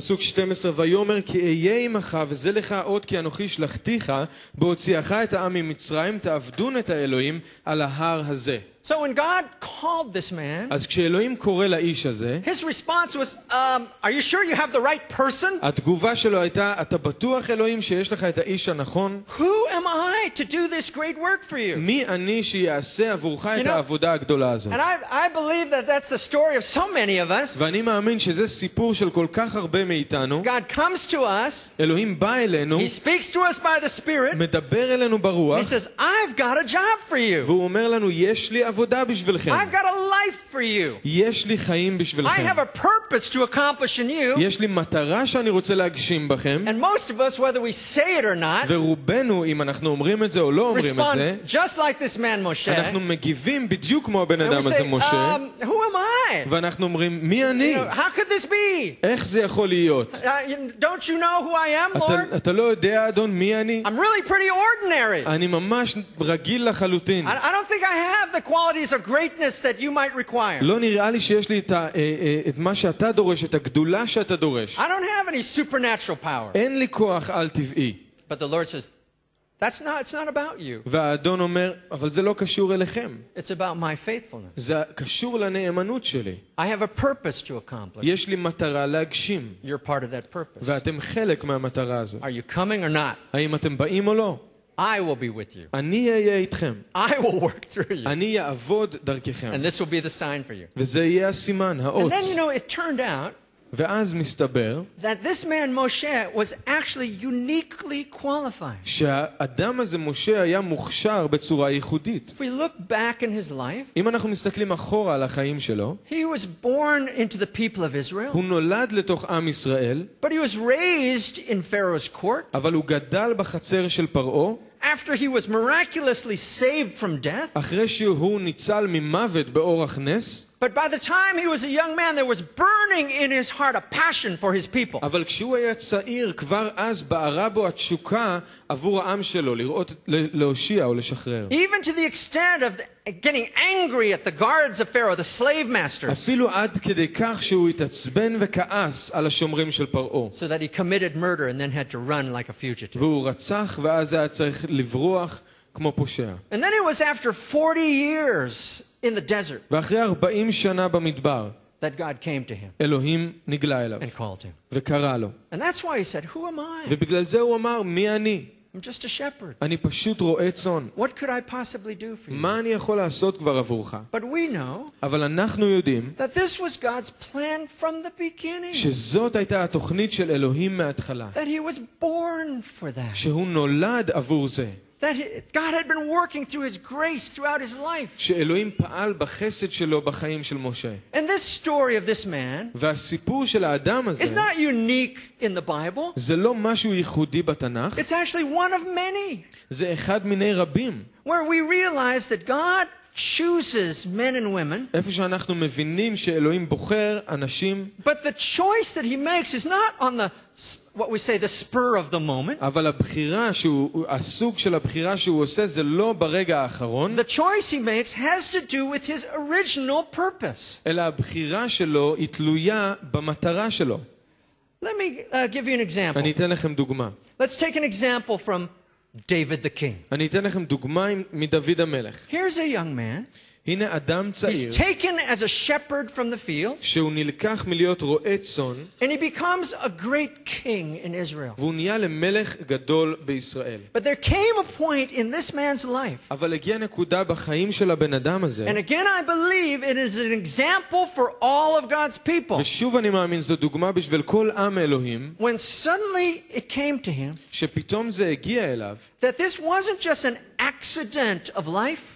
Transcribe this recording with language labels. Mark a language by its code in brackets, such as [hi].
[he] פסוק 12 ויאמר כי אהיה עמך וזה לך עוד כי אנוכי שלחתיך בהוציאך את העם ממצרים תעבדון את האלוהים על ההר הזה. [en] So when God called this man, [he] אז כשאלוהים קורא לאיש הזה, [en] his response was, are you sure you have the right person? [he] התגובה שלו הייתה, אתה בטוח אלוהים שיש לך את האיש הנכון? [en] Who am I to do this great work for you? [he] מי אני שיעשה עבורך את העבודה הגדולה הזאת? [en] And I believe that that's the story of so many of us. [he] ואני מאמין שזה סיפור של כל כך הרבה מאיתנו. [en] God comes to us. [he] אלוהים בא אלינו. [en] He speaks to us by the Spirit. [he] מדבר אלינו ברוח. [en] He says, I've got a job for you. [he] והוא אומר לנו, יש לי עבודה בשבילכם. [en] I've got a life for you. [he] יש לי חיים בשבילכם. [en] I have a purpose to accomplish in you. [he] יש לי מטרה שאני רוצה להגשים בכם. [en] And most of us, whether we say it or not, [he] ורובנו, אם אנחנו אומרים את זה או לא אומרים את זה, [en] just like this man Moshe, [he] אנחנו מגיבים בדיוק כמו הבן אדם הזה משה. [en] Who am I? [he] ואנחנו אומרים, מי אני? [en] How could this be? [he] איך זה יכול להיות? [en] Don't you know who I am, Lord? [he] אתה לא יודע, אדון, מי אני? [en] I'm really pretty ordinary. [he] אני ממש רגיל לחלוטין. [en] I don't think I have the qualities of greatness that you might require. [he] לא נראה לי שיש לי את מה שאתה דורש, את הגדולה שאתה דורש. [en] I don't have any supernatural power. [he] אין לי כוח על טבעי. [en] But the Lord says, it's not about you. [he] והאדון אומר, אבל זה לא קשור אליכם. [en] It's about my faithfulness. [he] זה קשור לנאמנות שלי. [en] I have a purpose to accomplish. [he] יש לי מטרה להגשים. [en] You're part of that purpose. [he] ואתם חלק מהמטרה הזאת. [en] Are you coming or not? [he] האם אתם באים או לא? [en] I will be with you. [he] אני אהיה איתכם. [en] I will work through you. [he] אני אעבוד דרככם. [en] And this will be the sign for you. [he] וזה יהיה הסימן, האות. [en] And then, you know, it turned out [he] ואז מסתבר [en] that this man Moshe was actually uniquely qualified. [he] שהאדם הזה משה היה מוכשר בצורה ייחודית. [en] If we look back in his life, [he] אם אנחנו מסתכלים אחורה על החיים שלו, [en] he was born into the people of Israel. [he] הוא נולד לתוך עם ישראל. [en] But he was raised in Pharaoh's court. [he] אבל הוא גדל בחצר של פרעה. [en] After he was miraculously saved from death, [he] אחרי שהוא ניצל ממוות באורח נס. [en] But by the time he was a young man, there was burning in his heart a passion for his people. [he] אבל כשהוא היה צעיר, כבר אז בערה בו התשוקה עבור העם שלו, לראות, להושיע או לשחרר. [en] Even to the extent of getting angry at the guards of Pharaoh, the slave masters. [he] אפילו עד כדי כך שהוא התעצבן וכעס על השומרים של פרעה. [en] So that he committed murder and then had to run like a fugitive. [he] והוא רצח ואז היה צריך לברוח כמו פושע. [en] And then it was after 40 years in the desert [he] ואחרי 40 שנה במדבר [en] that God came to him [he] אלוהים נגלה אליו [en] and called him [he] וקרא לו [en] and that's why he said who am I [he] ובגלל זה הוא אמר מי אני [en] I'm just a shepherd [he] אני פשוט רועה צאן [en] what could I possibly do for you [he] מה אני יכול לעשות כבר עבורך [en] but we know [he] אבל אנחנו יודעים [en] that this was God's plan from the beginning [he] שזאת הייתה התוכנית של אלוהים מההתחלה [en] that he was born for that [he] שהוא נולד עבור זה [en] that God had been working through his grace throughout his life. [he] שאלוהים פעל בחסד שלו בחיים של משה. [en] And this story of this man [he] והסיפור של האדם הזה [en] is not unique in the Bible. [he] זה לא משהו ייחודי בתנך. [en] It's actually one of many. [he] זה אחד מיני רבים. [en] Where we realize that God chooses men and women. [he] איפה שאנחנו מבינים שאלוהים בוחר אנשים. [en] But the choice that he makes is not on the what we say the spur of the moment [he] אבל הבחירה שהוא הסוג של הבחירה שהוא עושה זה לא ברגע האחרון [en] the choice he makes has to do with his original purpose [he] אלא הבחירה שלו היא תלויה במטרה שלו [en] let me give you an example [he] אני אתן לכם דוגמה [en] let's take an example from David the king [he] אני אתן לכם דוגמה מדוד המלך [en] here's a young man [he] הנה אדם צעיר [en] he's taken as a shepherd from the field [he] שהוא נלקח מלהיות רועה צאן [en] and he becomes a great king in Israel [he] והוא נהיה למלך גדול בישראל [en] but there came a point in this man's life [he] אבל הגיעה נקודה בחיים של הבן אדם הזה [en] and again I believe it is an example for all of God's people [he] ושוב אני מאמין זו דוגמה בשביל כל עם אלוהים [en] when suddenly it came to him [he] שפתאום זה הגיע אליו [en] that this wasn't just an accident of life